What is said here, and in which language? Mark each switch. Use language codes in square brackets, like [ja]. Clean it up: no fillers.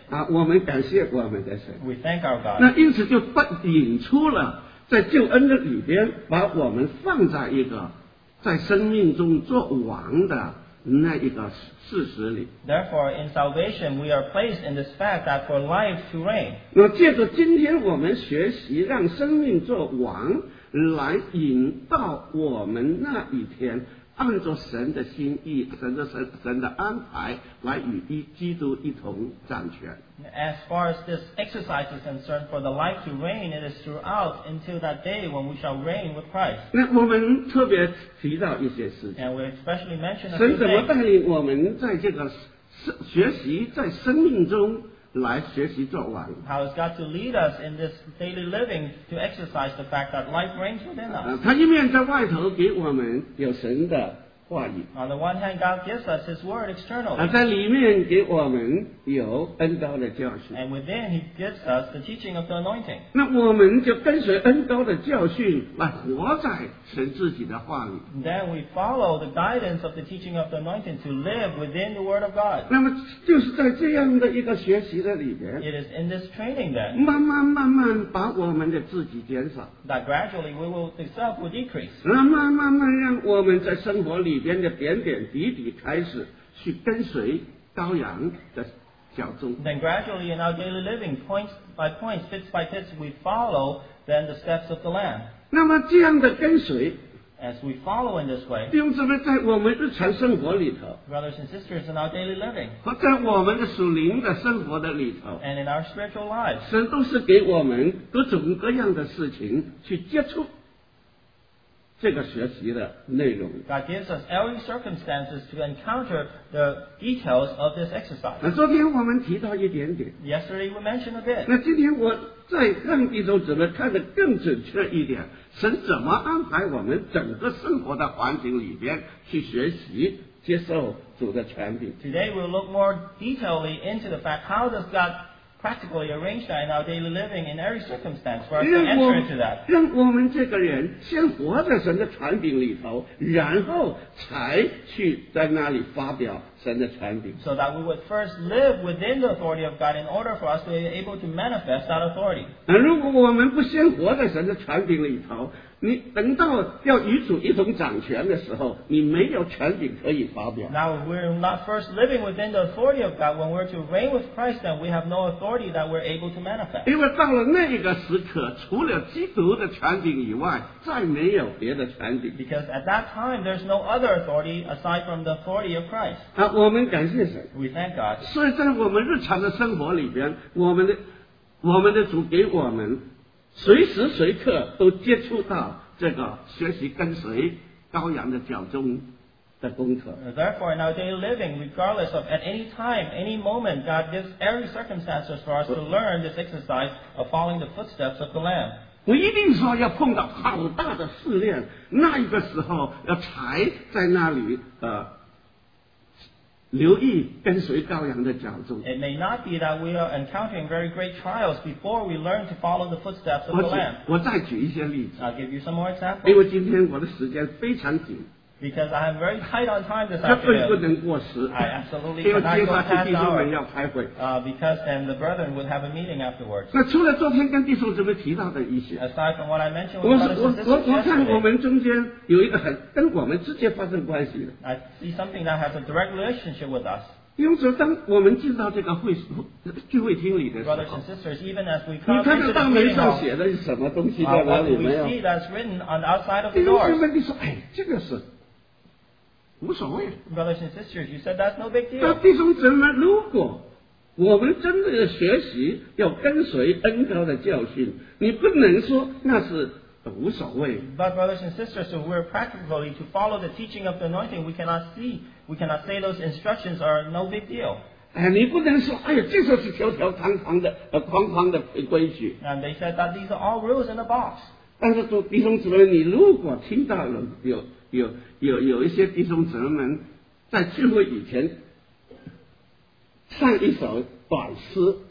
[zh] 啊，我们感谢我们的神。 [en] We thank our God. [zh] 那因此就引出了在救恩的里边，把我们放在一个在生命中做王的那一个事实里。 [en] Therefore, in salvation, we are placed in this fact that for life to reign. [zh] 那借着今天我们学习让生命做王，来引到我们那一天，按照神的心意，神的安排，来与基督一同掌权。 [en] As far as this exercise is concerned, for the life to reign, it is throughout until that day when we shall reign with Christ. [zh] 那我们特别提到一些事情。 [en] And we especially mention a few things. [zh] 神怎么带领我们在这个学习在生命中来学习做王。 [en] How is God to lead us in this daily living to exercise the fact that life reigns within us? [zh] 他一面在外头给我们有神的话语。 [en] On the one hand, God gives us His word externally. [zh] 在里面给我们有恩膏的教训。 [en] And within, He gives us the teaching of the anointing. [zh] 那我们就跟随恩膏的教训来活在神自己的话语。 [en] Then we follow the guidance of the teaching of the anointing to live within the word of God. [zh] 那么就是在这样的一个学习的里边， [en] It is in this training then. [zh] 慢慢把我们的自己减少。 [en] That gradually we will, the self will decrease. [zh] 那慢慢让我们在生活里边的点点滴滴开始去跟随羔羊的脚踪。 [en] Then gradually in our daily living, points by points, bits by bits, we follow then the steps of the Lamb. [zh] 那么这样的跟随， [en] as we follow in this way, [zh] 弟兄姊妹在我们日常生活里头， [en] brothers and sisters in our daily living, [zh] 和在我们的属灵的生活的里头， [en] and in our spiritual lives, [zh] 神都是给我们各种各样的事情去接触这个学习的内容。 [en] God gives us every circumstances to encounter the details of this exercise. [zh] 那昨天我们提到一点点。 [en] Yesterday we mentioned a bit. [zh] 那今天我再让弟兄姊妹看得更准确一点，神怎么安排我们整个生活的环境里边去学习接受主的权柄。 [en] Today we'll look more detailedly into the fact how does God practically arrange that in our daily living in every circumstance for us to enter into that. [zh] 让我们这个人先活在神的权柄里头，然后才去在那里发表神的权柄。 [en] So that we would first live within the authority of God in order for us to be able to manifest that authority. [zh] 那如果我们不先活在神的权柄里头，你等到要与主一同掌权的时候，你没有权柄可以发表。 [en] Now we're not first living within the authority of God. When we're to reign with Christ, then we have no authority that we're able to manifest. [zh] 因为到了那一个时刻，除了基督的权柄以外，再没有别的权柄。 [en] Because at that time, there's no other authority aside from the authority of Christ. [zh] 那我们感谢神。 [en] We thank God. [zh] 所以在我们日常的生活里边，我们的主给我们随时随刻都接触到这个学习跟随羔羊的脚踪的功课。 [en] Therefore, in our daily living, regardless of at any time, any moment, God gives every circumstances for us to learn this exercise of following the footsteps of the Lamb. [zh] 不一定说要碰到好大的试炼，那一个时候要才在那里留意跟随羔羊的脚踪。 [en] It may not be that we are encountering very great trials before we learn to follow the footsteps of the Lamb. [zh] 我再举一些例子。 [en] I'll give you some more examples. [zh] 因为今天我的时间非常紧。 [en] Because I am very tight on time this afternoon. [zh] 绝对不能过时。 [en] I absolutely cannot go past hour. [zh] 弟兄们要开会。 [en] Because then the brethren would have a meeting afterwards. [zh] 那除了昨天跟弟兄姊妹提到的一些。 [en] Aside from what I mentioned with brothers and sisters yesterday. [zh] 我看我们中间有一个很跟我们直接发生关系的。 [en] I see something that has a direct relationship with us. [zh] 因为说当我们进到这个会聚会厅里的时候。 [en] Brothers and sisters, even as we come to the meeting hall. [zh] 你看到大门上写的是什么东西在哪里没有。 [en] We see that's written on the outside of the doors. [zh] 弟兄姊妹你说哎这个是。无所谓。 [en] Brothers and sisters, you said that's no big deal. [zh] 那弟兄姊妹，如果我们真的要学习，要跟随恩膏的教训，你不能说那是无所谓。 [en] But brothers and sisters, if we're practically to follow the teaching of the anointing, we cannot say those instructions are no big deal. [zh] 哎，你不能说，哎呀，这就是条条框框的、框框的规矩。 [en] And they said that these are all rules in a box. [zh] 但是说，弟兄姊妹，你如果听到了有一些弟兄姊妹们在聚会以前唱一首短诗。